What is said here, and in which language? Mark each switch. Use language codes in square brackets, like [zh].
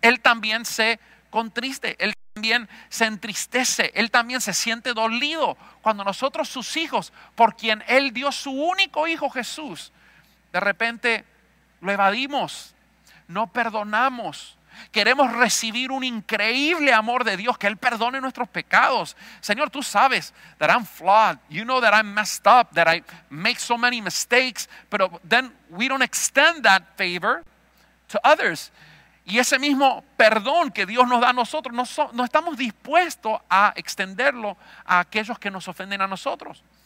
[es] Él también se contriste, Él también se entristece, Él también se siente dolido cuando nosotros, sus hijos, por quien Él dio su único hijo Jesús, de repente lo evadimos, no perdonamos, Queremos recibir un increíble amor de Dios, que Él perdone nuestros pecados. Señor, tú sabes [en] that I'm flawed. You know that I'm messed up, that I make so many mistakes. But then we don't extend that favor to others. [es] Y ese mismo perdón que Dios nos da a nosotros, no estamos dispuestos a extenderlo a aquellos que nos ofenden a nosotros.